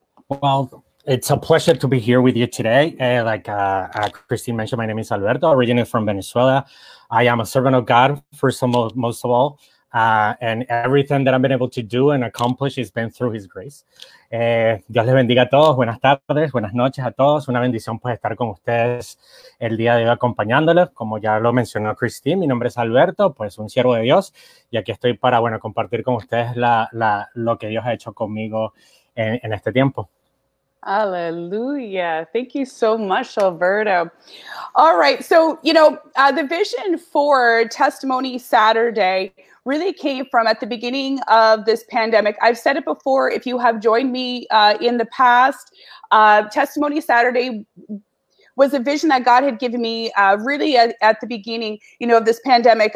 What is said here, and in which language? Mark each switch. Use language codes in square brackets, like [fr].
[en] Well, it's a pleasure to be here with you today. Christine mentioned, my name is Alberto, originally from Venezuela. I am a servant of God, most of all. And everything that I've been able to do and accomplish has been through His grace. [es] Dios les bendiga a todos. Buenas tardes, buenas noches a todos. Una bendición pues estar con ustedes el día de hoy acompañándoles. Como ya lo mencionó Christine, mi nombre es Alberto, pues un siervo de Dios. Y aquí estoy para, bueno, compartir con ustedes lo que Dios ha hecho conmigo en este tiempo. [en] Hallelujah. Thank you so much, Alberto. All right. So, you know, the vision for Testimony Saturday really came from at the beginning of this pandemic. I've said it before, if you have joined me in the past, Testimony Saturday was a vision that God had given me really at the beginning, you know, of this pandemic.